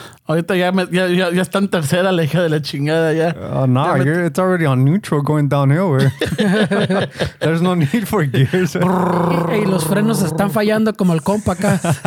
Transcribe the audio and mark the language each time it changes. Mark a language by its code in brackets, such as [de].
[es] Ahorita ya me ya está en tercera, la hija de la chingada, ya. [en] Oh, no, nah, it's already on neutral going downhill, güey. There's no need for gears. [es] Y los frenos están fallando como el compa acá.